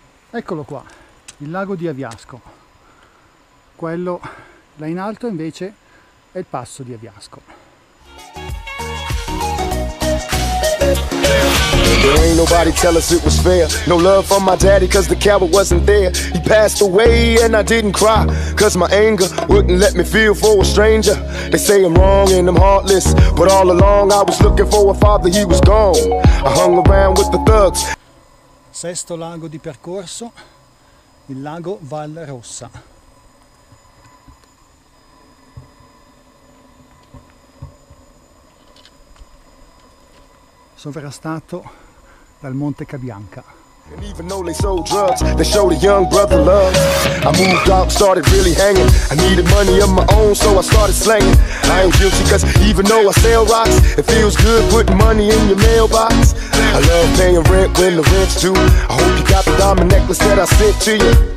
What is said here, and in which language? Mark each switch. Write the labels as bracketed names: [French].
[Italian] Eccolo qua. Il lago di Aviasco, quello là in alto invece è il passo di Aviasco. [English] There ain't nobody tell us it was fair. No love for my daddy cause the coward wasn't there. He passed away and I didn't cry, cause my anger wouldn't let me feel for a stranger. They say I'm wrong and I'm heartless, but all along I was looking for a father, he was gone. I hung around with the thugs. [Italian] Sesto lago di percorso, il lago Val Rossa. Sovrastato dal Monte Cabianca. [English] And even though they sold drugs, they showed a young brother love. I moved out, started really hanging. I needed money of my own, so I started slanging. I ain't guilty, cause even though I sell rocks, it feels good putting money in your mailbox. I love paying rent when the rent's due. I hope you got the diamond necklace that I sent to you.